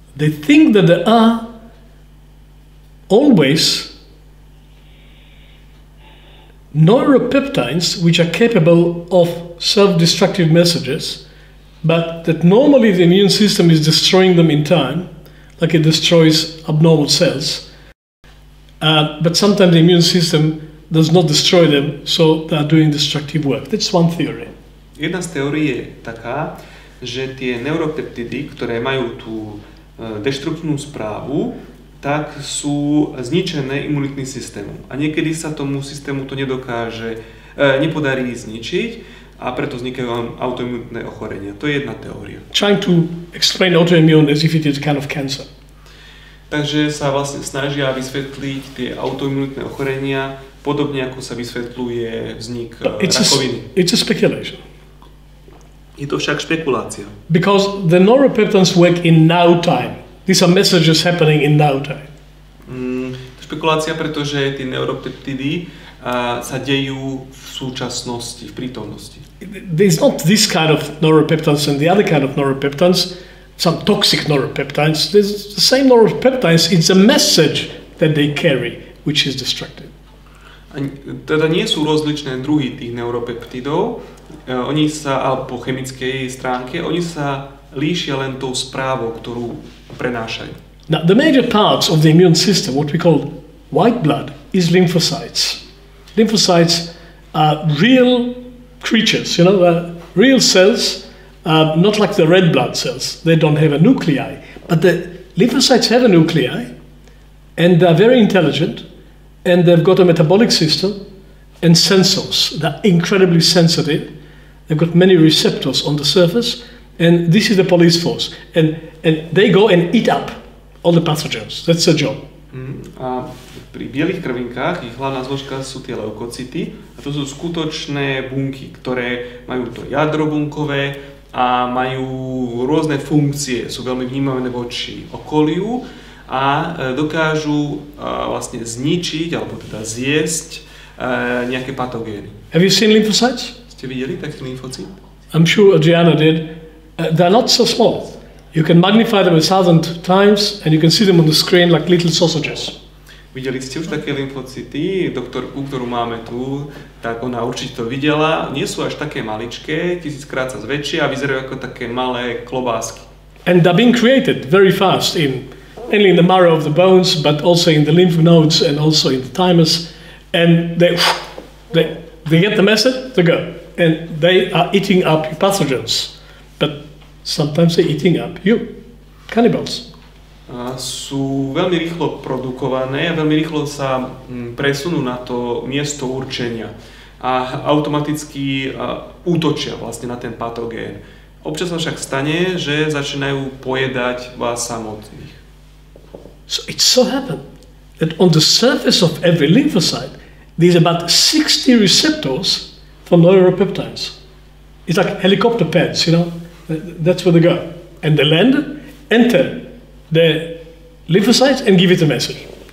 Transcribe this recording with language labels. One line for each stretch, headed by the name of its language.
English: They think that there are always neuropeptides which are capable of self-destructive messages, but that normally the immune system is destroying them in time, like it destroys abnormal cells. But sometimes the immune system does not destroy them, so they are doing destructive work. That's one theory.
Slovak: Jedna z teórií je taká, že tie neuropeptidy, ktoré majú tú destruktívnu správu, tak sú zničené imunitným systémom. A niekedy sa tomu systému to nepodarí zničiť a preto vznikajú autoimunitné ochorenia. To je jedna teória.
English: Trying to explain autoimmune as if it is a kind of cancer.
Slovak: Takže sa vlastne snažia vysvetliť tie autoimunitné ochorenia podobne ako sa vysvetľuje vznik rakoviny.
English: It's a speculation.
Slovak: Je to však špekulácia.
English: Because the neuropeptides work in now time. These are messages happening in now time.
Slovak: Špekulácia, pretože tie neuropeptidy sa dejú v súčasnosti, v prítomnosti.
English: There's not this kind of neuropeptides and the other kind of neuropeptides, some toxic neuropeptides. There's the same neuropeptides, it's a message that they carry, which is destructive.
Slovak: Teda nie sú rozličné druhy tých neuropeptidov, oni sa, alebo po chemickej stránke, oni sa líšia len tou správou, ktorú prenášajú.
English: Now, the major parts of the immune system, what we call white blood, is lymphocytes. Lymphocytes are real creatures, you know, real cells, not like the red blood cells. They don't have a nuclei. But the lymphocytes have a nuclei, and they're very intelligent, and they've got a metabolic system and sensors. They're incredibly sensitive. They've got many receptors on the surface, and this is the police force. And they go and eat up all the pathogens. That's their job.
Slovak: A pri bielých krvinkách ich hlavná zložka sú tie leukocyty a to sú skutočné bunky, ktoré majú to jadro bunkové a majú rôzne funkcie, sú veľmi vnímavé voči okoliu a dokážu vlastne zničiť alebo teda zjesť nejaké patogény.
English: Have you seen lymphocytes?
Slovak: Ste videli takých lymfocyt?
English: I'm sure Adriana did. They're not so small. You can magnify them 1,000 times and you can see them on the screen like little sausages.
Slovak: Videli ste už také lymfocyty, doktorku, ktorú máme tu, tak ona určite to videla. Nie sú až také maličké, tisíckrát sa zväčšia a vyzerajú ako také malé klobásky.
English: And they're being created very fast in mainly in the marrow of the bones, but also in the lymph nodes and also in the thymus. And they get the message, they go. And they are eating up pathogens. But sometimes they're eating up you, cannibals.
Slovak: Sú veľmi rýchlo produkované a veľmi rýchlo sa presunú na to miesto určenia a automaticky útočia vlastne na ten patogén. Občas sa však stane, že začínajú pojedať vás samotných.
English: So it so happened that on the surface of every lymphocyte there's about 60 receptors for neuropeptides. It's like helicopter pads, you know. That's where they go. And they land, enter the lymphocytes and give it a message.